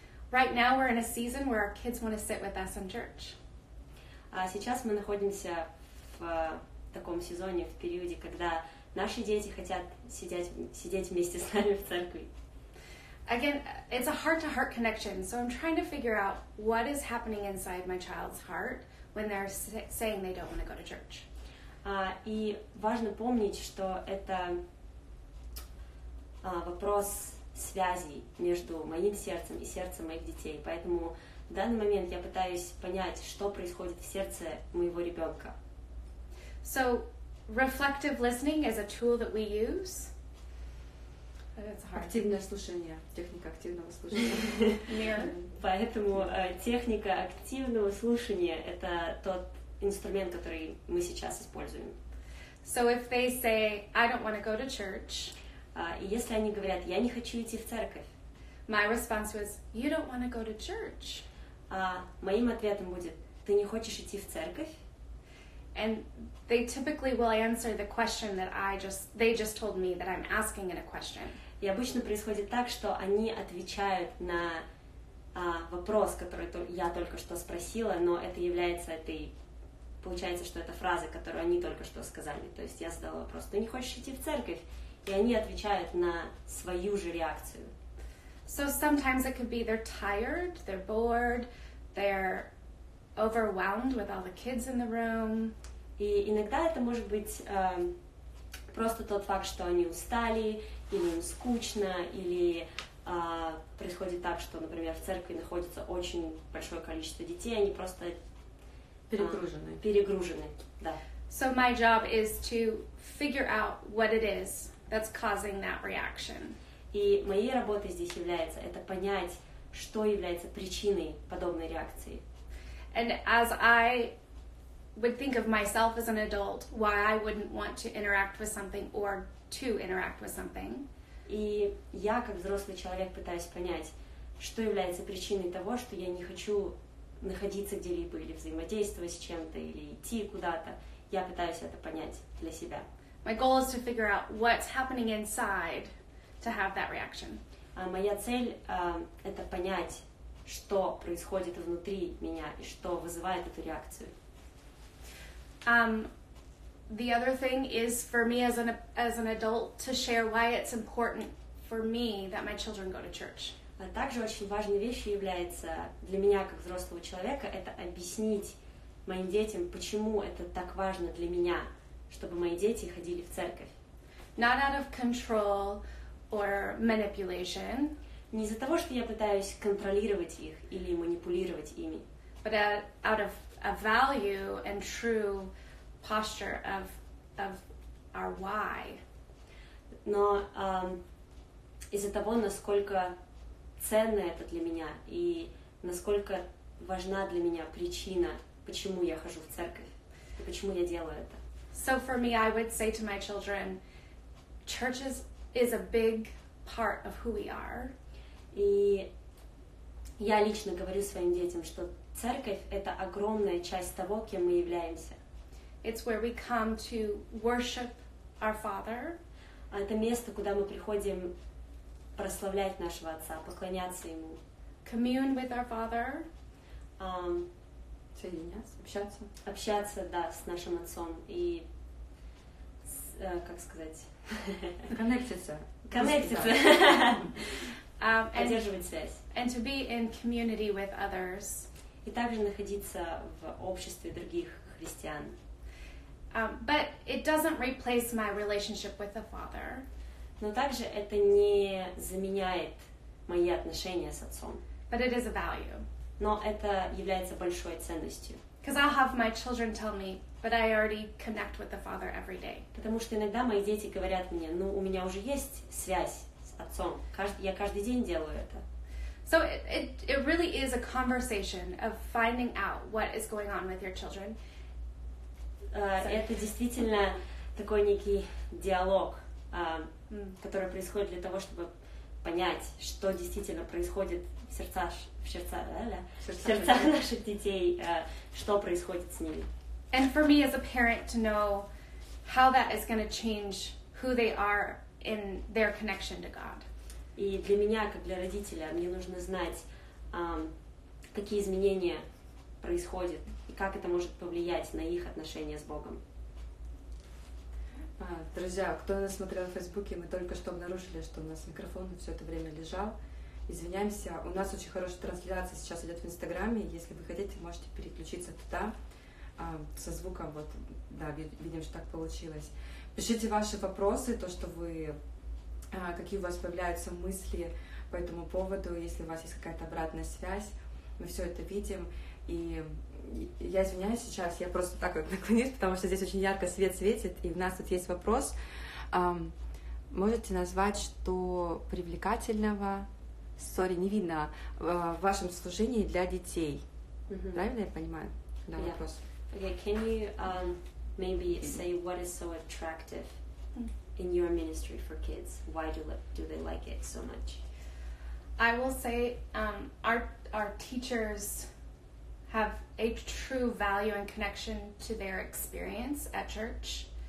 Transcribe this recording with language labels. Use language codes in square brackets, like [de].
[en] Right now we're in a season where our kids want to sit with us in church. [ru] Сейчас мы находимся в таком сезоне, в периоде, когда наши дети хотят сидеть вместе с нами в церкви. [en] Again, it's a heart-to-heart connection, so I'm trying to figure out what is happening inside my child's heart when they're saying they don't want to go to church. [ru] И важно помнить, что это вопрос связи между моим сердцем и сердцем моих детей. Поэтому в данный момент я пытаюсь понять, что происходит в сердце моего ребенка. [en] So, reflective listening is a tool that we use. [ru] Активное слушание, техника активного слушания. Поэтому техника активного слушания — это тот инструмент, который мы сейчас используем. [en] So if they say, I don't want to go to church, [ru] и если они говорят, я не хочу идти в церковь, [en] my response was, you don't want to go to church. [ru] Моим ответом будет, ты не хочешь идти в церковь? [en] And they typically will answer the question that they just told me that I'm asking in a question. [ru] И обычно происходит так, что они отвечают на вопрос, который я только что спросила, но это является этой... Получается, что это фраза, которую они только что сказали. То есть я задала вопрос, ты не хочешь идти в церковь? И они отвечают на свою же реакцию. [en] So sometimes it could be they're tired, they're bored, they're overwhelmed with all the kids in the room. [ru] И иногда это может быть просто тот факт, что они устали, или им скучно, или происходит так, что, например, в церкви находится очень большое количество детей, они просто перегружены. Да. [en] So my job is to figure out what it is that's causing that reaction. [ru] И моей работой здесь является это понять, что является причиной подобной реакции. [en] And as I would think of myself as an adult, why I wouldn't want to interact with something or to interact with something. [ru] И я как взрослый человек пытаюсь понять, что является причиной того, что я не хочу находиться где-либо или взаимодействовать с чем-то или идти куда-то. Я пытаюсь это понять для себя. [en] My goal is to figure out what's happening inside to have that reaction. [ru] Моя цель это понять, что происходит внутри меня и что вызывает эту реакцию. [en] The other thing is for me as an adult to share why it's important for me that my children go to church. [ru] А также очень важной вещью является для меня как взрослого человека это объяснить моим детям, почему это так важно для меня, чтобы мои дети ходили в церковь. [en] Not out of control or manipulation. [ru] Не из-за того, что я пытаюсь контролировать их или манипулировать ими. [en] But out of a value and true posture of our why. [ru] Но из-за того, насколько ценно это для меня и насколько важна для меня причина, почему я хожу в церковь, и почему я делаю это. [en] So for me, I would say to my children, church is a big part of who we are. [ru] И я лично говорю своим детям, что церковь — это огромная часть того, кем мы являемся. [en] It's where we come to worship our Father. [ru] Это место, куда мы приходим прославлять нашего Отца, поклоняться Ему. [en] Commune with our Father. [ru] Соединяться, общаться. Общаться, да, с нашим Отцом. И, как сказать? Коннектиться. Коннектиться. Поддерживать связь. [en] And to be in community with others. [ru] И также находиться в обществе других христиан. [en] But it doesn't replace my relationship with the Father. [ru] Но также это не заменяет мои отношения с Отцом. [en] But it is a value. [ru] но это является большой ценностью. [en] Because I'll have my children tell me, but I already connect with the Father every day. [ru] Потому что иногда мои дети говорят мне, ну у меня уже есть связь с отцом. Я каждый день делаю это. [en] So it really is a conversation of finding out what is going on with your children. [ru] Это действительно такой некий диалог, который происходит для того, чтобы понять, что действительно происходит в сердцах наших детей, что происходит с ними. [en] And for me as a parent to know how that is going to change who they are in their connection to God. [ru] И для меня, как для родителя, мне нужно знать, какие изменения происходят и как это может повлиять на их отношения с Богом. Друзья, кто нас смотрел в Фейсбуке, мы только что обнаружили, что у нас микрофон все это время лежал. Извиняемся, у нас очень хорошая трансляция сейчас идет в Инстаграме. Если вы хотите, можете переключиться туда со звуком. Вот, да, видим, что так получилось. Пишите ваши вопросы, то, что вы, какие у вас появляются мысли по этому поводу, если у вас есть какая-то обратная связь, мы все это видим. И я извиняюсь сейчас, я просто так вот наклонюсь, потому что здесь очень ярко свет светит, и у нас тут есть вопрос. Можете назвать, что привлекательного, сори, не видно, в вашем служении для детей? Mm-hmm. Правильно я понимаю? Да, yeah. Вопрос. [en] Okay, can you maybe say what is so attractive in your ministry for kids? Why do they like it so much? I will say our teachers have a true value and connection to their experience at church.